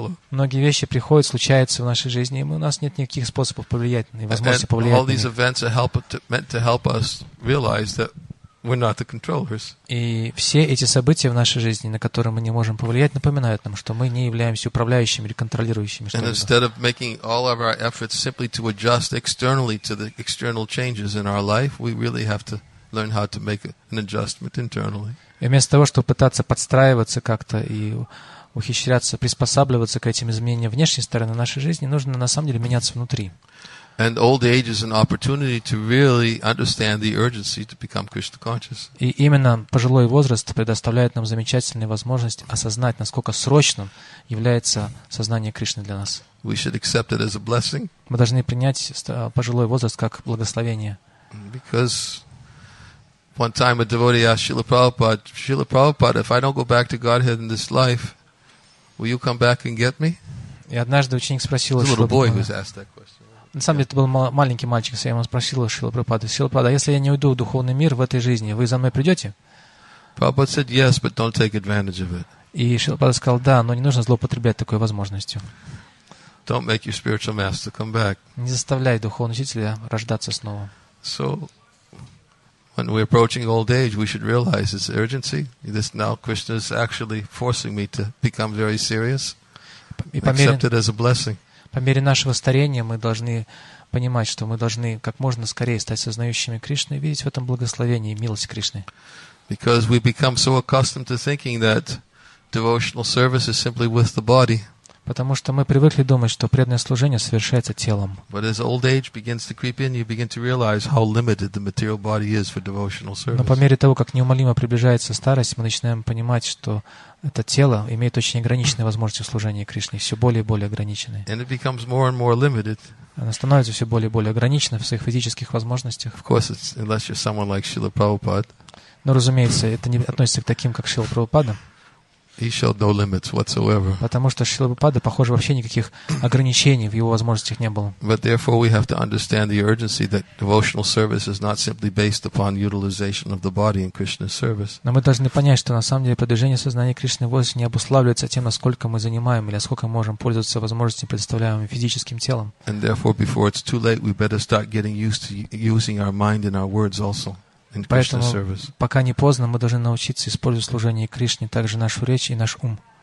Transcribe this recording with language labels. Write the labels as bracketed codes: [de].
[ru] Многие вещи приходят, случаются в нашей жизни, и у нас нет никаких способов повлиять, невозможности повлиять на них. [en] All these events are meant to help us realize that we're not the controllers. [ru] И все эти события в нашей жизни, на которые мы не можем повлиять, напоминают нам, что мы не являемся управляющими или контролирующими. [en] And instead of making all of our efforts simply to adjust externally to the external changes in our life, we really have to learn how to make an adjustment internally. [ru] И вместо того, чтобы пытаться подстраиваться как-то и ухищряться, приспосабливаться к этим изменениям внешней стороны нашей жизни, нужно на самом деле меняться внутри. [en] And old age is an opportunity to really understand the urgency to become Krishna conscious. [ru] И именно пожилой возраст предоставляет нам замечательную возможность осознать, насколько срочным является сознание Кришны для нас. [en] We should accept it as a blessing. [ru] Мы должны принять пожилой возраст как благословение. [en] Because one time a devotee asked Srila Prabhupada, Srila Prabhupada, if I don't go back to Godhead in this life, will you come back and get me? [ru] И однажды ученик спросил, [en] little boy who's asked that question. [ru] На самом деле, это был маленький мальчик, я ему спросил Шрила Прабхупады, Шрила Прабхупада, если я не уйду в духовный мир в этой жизни, вы за мной придете? [en] Prabhupada said, yes, but don't take advantage of it. [ru] И Шрила Прабхупада сказал, да, но не нужно злоупотреблять такой возможностью. [en] Don't make your spiritual master come back. [ru] Не заставляй духовного учителя рождаться снова. [en] So, when we're approaching old age, we should realize its urgency. This now Krishna is actually forcing me to become very serious. Accept it as a blessing. [ru] По мере нашего старения мы должны понимать, что мы должны как можно скорее стать сознающими Кришны и видеть в этом благословение и милость Кришны. [en] Because we become so accustomed to thinking that devotional service is simply with the body. [ru] Потому что мы привыкли думать, что преданное служение совершается телом. [en] But as old age begins to creep in, you begin to realize how limited the material body is for devotional service. [ru] Но по мере того, как неумолимо приближается старость, мы начинаем понимать, что это тело имеет очень ограниченные возможности служения Кришне, все более и более ограниченные. [en] And it becomes more and more limited. [ru] Оно становится все более и более ограниченным в своих физических возможностях. [en] Of course, it's, unless you're someone like Srila Prabhupada. [ru] Но, разумеется, это не относится к таким, как Шрила Прабхупада. [en] He showed no limits whatsoever. [ru] Потому что Шрила Прабхупада, похоже, вообще никаких ограничений в его возможностях не было. [en] But therefore we have to understand the urgency that devotional service is not simply based upon utilization of the body in Krishna's service. [ru] Но мы должны понять, что на самом деле продвижение сознания Кришны вовсе не обуславливается тем, насколько мы занимаем или сколько мы можем пользоваться возможностями, предоставляемыми физическим телом. [en] And therefore before it's too late, we better start getting used to using our mind and our words also. [ru] Поэтому, пока не поздно, мы должны научиться использовать служение Кришне, также нашу речь и наш ум.